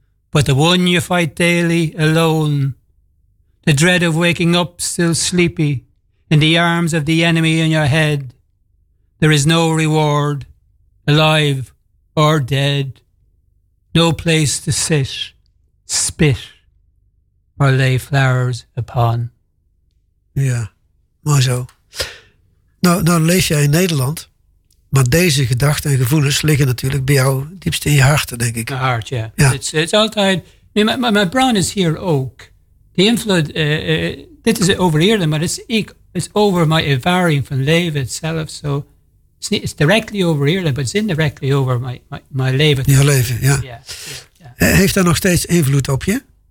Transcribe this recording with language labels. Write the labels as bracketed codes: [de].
[en] But the one you fight daily alone, the dread of waking up still sleepy in the arms of the enemy in your head, there is no reward, alive or dead, no place to sit, spit, or lay flowers upon. [nl] Ja, mooi zo. Nou lees jij in Nederland, maar deze gedachten en gevoelens liggen natuurlijk bij jou diepst in je hart, denk ik. [en] My heart, yeah. [nl] Ja. [en] It's [nl] altijd, [en] my brain is here [nl] ook. [en] The influence, [nl] dit is over Ierland, maar [en] it's over my [nl] ervaring van leven [en] itself, so... It's directly over Ierland, but it's indirectly over my [nl] leven. [en] Your [nl] leven, ja. [en] Yeah. [nl] Heeft dat nog steeds invloed op je?